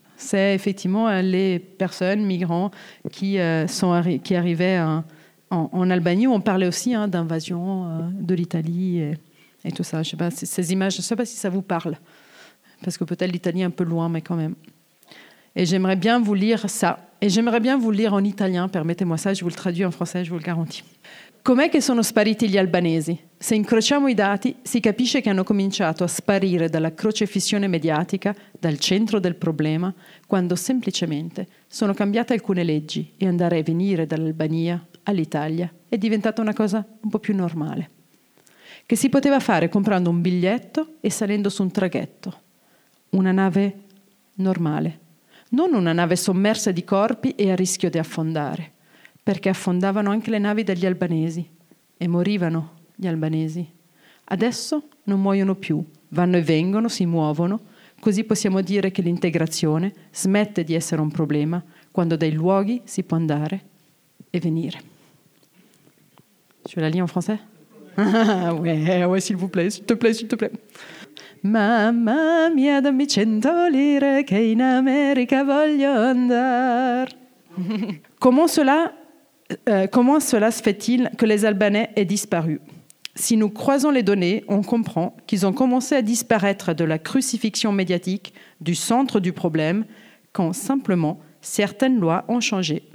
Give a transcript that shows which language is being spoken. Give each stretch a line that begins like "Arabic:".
French: C'est effectivement les personnes migrants qui arrivaient en Albanie, où on parlait aussi d'invasion de l'Italie et tout ça. Je sais pas, ces images, je ne sais pas si ça vous parle, parce que peut-être l'Italie est un peu loin, mais quand même. Et j'aimerais bien vous lire ça. Et j'aimerais bien vous lire en italien, permettez-moi ça, je vous le traduis en français, je vous le garantis.
Italian: Com'è che sono spariti gli albanesi? Se incrociamo i dati, si capisce che hanno cominciato a sparire dalla crocefissione mediatica, dal centro del problema, quando semplicemente sono cambiate alcune leggi e andare e venire dall'Albania all'Italia è diventata una cosa un po' più normale. Che si poteva fare comprando un biglietto e salendo su un traghetto. Una nave normale. Non una nave sommersa di corpi e a rischio di affondare. Perché affondavano anche le navi degli albanesi. E morivano gli albanesi. Adesso non muoiono più. Vanno e vengono, si muovono. Così possiamo dire che l'integrazione smette di essere un problema quando dai luoghi si può andare e venire.
French: Je la lis en français? Ah, ouais, s'il vous plaît, s'il te plaît, s'il te plaît.
Italian: Mamma mia, dammi 100 lire che in America voglio andare.
French: Comment cela se fait-il que les Albanais aient disparu? Si nous croisons les données, on comprend qu'ils ont commencé à disparaître de la crucifixion médiatique, du centre du problème, quand simplement certaines lois ont changé.